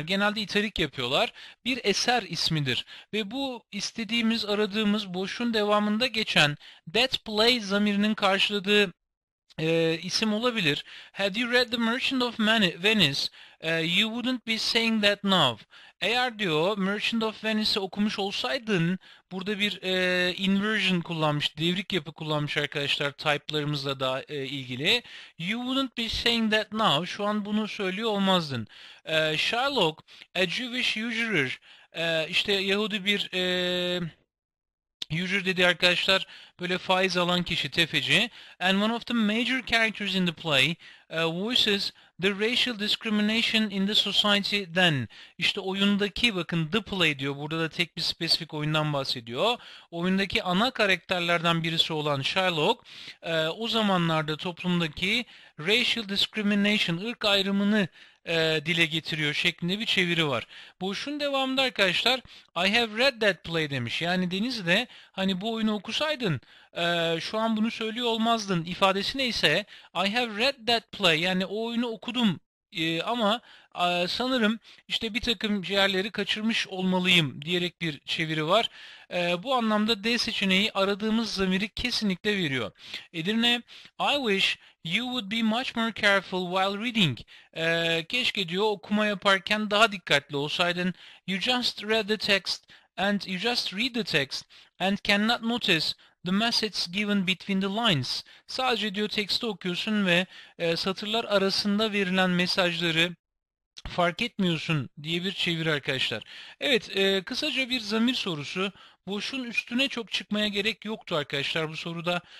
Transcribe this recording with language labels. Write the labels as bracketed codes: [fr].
[tr] Genelde italik yapıyorlar. Bir eser ismidir. Ve bu istediğimiz, aradığımız, boşun devamında geçen that play zamirinin karşıladığı isim olabilir. [en] Had you read The Merchant of Venice, you wouldn't be saying that now. [tr] Eğer diyor Merchant of Venice'i okumuş olsaydın, burada bir inversion kullanmış, devrik yapı kullanmış arkadaşlar type'larımızla da ilgili. [en] You wouldn't be saying that now. [tr] Şu an bunu söylüyor olmazdın. [en] Sherlock, a Jewish usurer. [tr] İşte Yahudi bir Usury dedi arkadaşlar, böyle faiz alan kişi, tefeci. [en] And one of the major characters in the play voices the racial discrimination in the society then. [tr] İşte oyundaki, bakın, the play diyor. Burada da tek bir spesifik oyundan bahsediyor. Oyundaki ana karakterlerden birisi olan Sherlock, o zamanlarda toplumdaki racial discrimination, ırk ayrımını dile getiriyor şeklinde bir çeviri var. Bu işin devamında arkadaşlar, [en] I have read that play [tr] demiş. Yani Deniz de, hani bu oyunu okusaydın şu an bunu söylüyor olmazdın ifadesi neyse, [en] I have read that play, [tr] yani o oyunu okudum ama sanırım işte bir takım yerleri kaçırmış olmalıyım diyerek bir çeviri var. Bu anlamda D seçeneği aradığımız zamiri kesinlikle veriyor. [en] Edirne, I wish you would be much more careful while reading. [tr] Keşke diyor okuma yaparken daha dikkatli olsaydın. [en] You just read the text and cannot notice the message given between the lines. [tr] Sadece diyor teksti okuyorsun ve satırlar arasında verilen mesajları fark etmiyorsun diye bir çevir arkadaşlar. Evet, kısaca bir zamir sorusu. Boşun üstüne çok çıkmaya gerek yoktu arkadaşlar bu soruda.